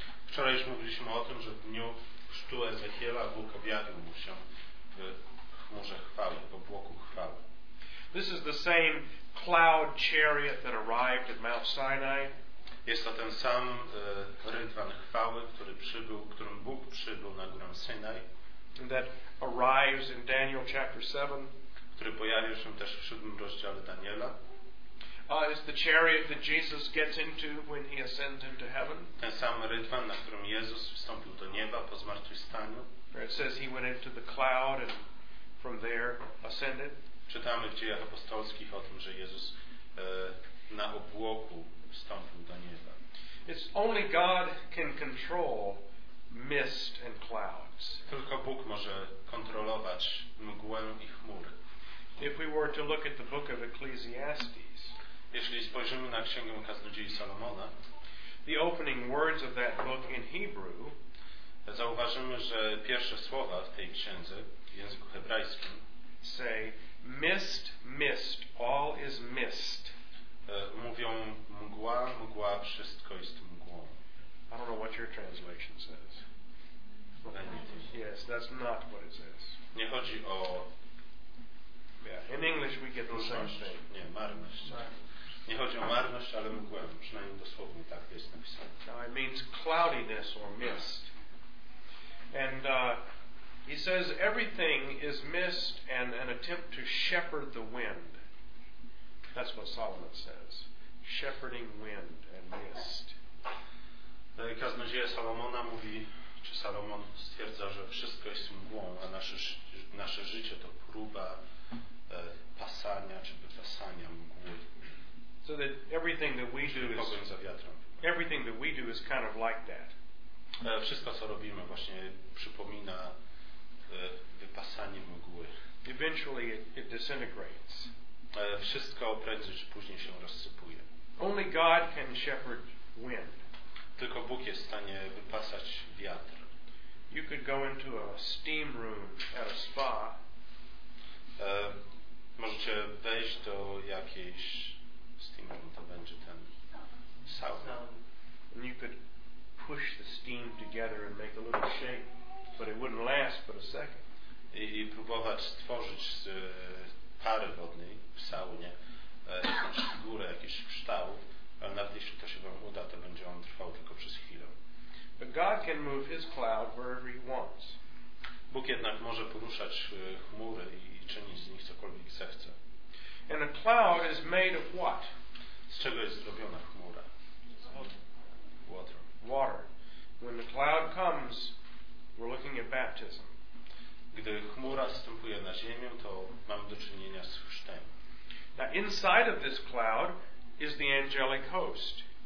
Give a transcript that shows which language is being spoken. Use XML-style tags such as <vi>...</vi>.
<pl>Wczoraj już mówiliśmy o tym, że w dniu chrztu Ezechiela Bóg objawił mu się w chmurze chwały, w obłoku chwały.</pl> <en>This is the same cloud chariot that arrived at Mount Sinai.</en> <pl>Jest to ten sam rydwan chwały, którym Bóg przybył na górę Synaj.</pl> <en>That arrives in Daniel chapter 7.</en> <pl>Który pojawił się też w 7 rozdziale Daniela.</pl> <en>Is the chariot that Jesus gets into when he ascends into heaven.</en> <pl>Ten sam rydwan, na którym Jezus wstąpił do nieba po zmartwychwstaniu.</pl> <en>Where it says he went into the cloud and from there ascended.</en> <pl>Czytamy w Dziejach Apostolskich o tym, że Jezus na obłoku wstąpił do nieba.</pl> <en>It's only God can control mist and clouds.</en> <pl>Tylko Bóg może kontrolować mgłę i chmury.</pl> <en>If we were to look at the book of Ecclesiastes,</en> <pl>jeśli spojrzymy na księgę Kaznodziei Salomona,</pl> <en>the opening words of that book in Hebrew,</en> <pl>zauważymy, że pierwsze słowa w tej księdze w języku hebrajskim</pl> <en>say mist, mist, all is mist.</en> <pl>Mówią mgła, mgła, wszystko jest mgłą.</pl> <en>I don't know what your translation says. Yes, that's not what it says.</en> <pl>Nie chodzi o...</pl> <en>Yeah, in English we get the same thing.</en> <pl>Nie, marność. Nie chodzi o marność, ale mgłę. Przynajmniej dosłownie tak jest napisane.</pl> <en>Now it means cloudiness or mist. And he says everything is mist and an attempt to shepherd the wind. That's what Solomon says. Shepherding wind and mist.</en> <pl>Kaznodzieja Salomona mówi, czy Salomon stwierdza, że wszystko jest mgłą, a nasze życie to próba pasania, czy wypasania mgły.</pl> <en>So that everything that we do is</en> <pl>pogoń za wiatrem.</pl> <en>Everything that we do is kind of like that.</en> <pl>Wszystko, co robimy, właśnie przypomina wypasanie mgły.</pl> <en>Eventually it disintegrates.</en> <pl>Wszystko prędzej czy później się rozsypuje.</pl> <en>Only God can shepherd wind.</en> <pl>Tylko Bóg jest w stanie wypasać wiatr.</pl> <en>You could go into a steam room at a spa.</en> <pl>Możecie wejść do jakiejś</pl> <en>steam room,</en> <pl>to będzie ten sauna.</pl> <en>And you could push the steam together and make a little shape, but it wouldn't last but a second.</en> <pl>I próbować stworzyć z pary wodnej w saunie jakąś figurę, jakiś kształt, ale nawet jeśli to się wam uda, to będzie on trwał tylko przez chwilę.</pl> <en>But God can move his cloud wherever he wants.</en> <pl>Bóg jednak może poruszać chmury i czynić z nich cokolwiek zechce.</pl> <en>And a cloud is made of what?</en> <pl>Z czego jest zrobiona chmura?</pl> <en>Water. When the cloud comes, we're looking at baptism.</en> <pl>Gdy chmura zstępuje na ziemię, to mamy do czynienia z chrztem.</pl> <en>Now inside of this cloud is the angelic host.</en>